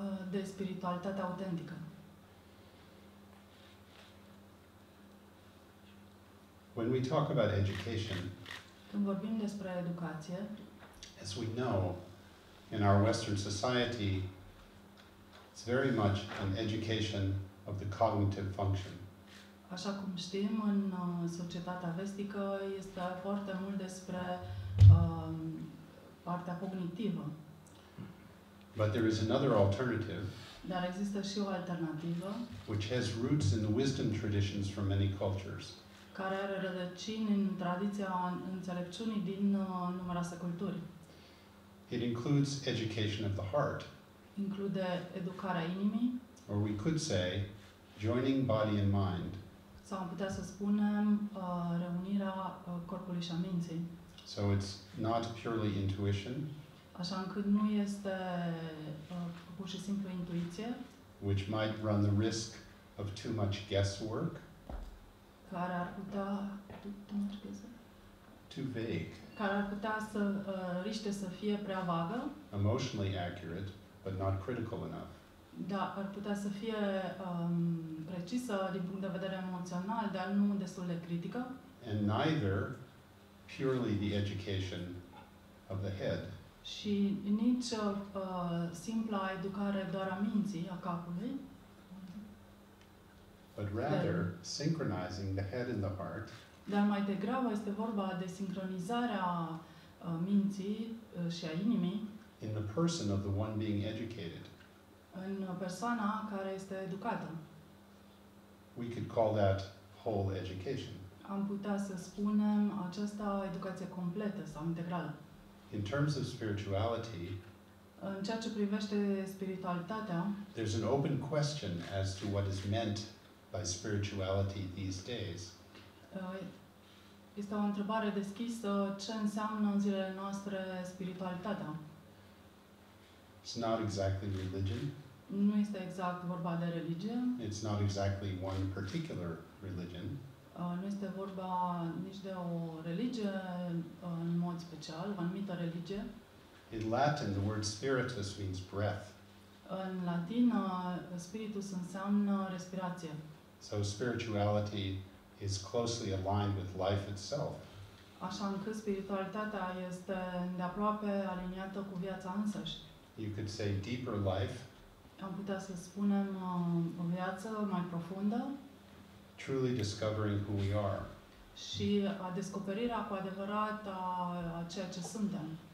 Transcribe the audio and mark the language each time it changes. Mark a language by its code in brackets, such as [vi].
[ro] De spiritualitate autentică. [en] When we talk about education, [ro] când vorbim despre educație, [en] as we know, in our Western society, it's very much an education of the cognitive function. [ro] Așa cum știm, în societatea vestică este foarte mult despre partea cognitivă. [en] But there is another alternative. [ro] Dar există și o alternativă. [en] Which has roots in the wisdom traditions from many cultures. [ro] Care are rădăcini în tradiția înțelepciunii din numeroase culturi. [en] It includes education of the heart. [ro] Include educarea inimii. [en] Or we could say joining body and mind. [ro] Sau am putea să spunem reunirea corpului și a minții. [en] So it's not purely intuition. [ro] Așa încât nu este pur și simplu intuiție. [en] Which might run the risk of too much guesswork. [ro] Care ar putea [en] too much guesswork. Too vague. [ro] Care ar putea să riște să fie prea vagă. [en] Emotionally accurate, but not critical enough. [ro] Da, ar putea să fie precisă din punct de vedere emoțional, dar nu destul de critică. [en] And neither purely the education of the head. [ro] Și nici simpla educare doar a minții, a capului. [en] But rather synchronizing the head and the heart. [ro] Dar mai degrabă este vorba de sincronizarea minții și a inimii. [en] In the person of the one being educated. [ro] În persoana care este educată. [en] We could call that whole education. [ro] Am putea să spunem aceasta educație completă sau integrală. [en] In terms of spirituality, [ro] în ceea ce privește spiritualitatea, [en] there's an open question as to what is meant by spirituality these days. [ro] Este o întrebare deschisă ce înseamnă în zilele noastre spiritualitatea. [en] It's not exactly religion. [ro] Nu este exact vorba de religie. [en] It's not exactly one particular religion. [ro] Nu este vorba nici de o religie în mod special, o anumită religie. [en] In Latin, the word spiritus means breath. [ro] În latină, spiritus înseamnă respirație. [en] So spirituality is closely aligned with life itself. [ro] Așa încât spiritualitatea este îndeaproape aliniată cu viața însăși. [en] You could say deeper life. [ro] Am putea să spunem o viață mai profundă. [en] Truly discovering who we are. [ro] Și a descoperirea cu adevărat a ceea ce suntem.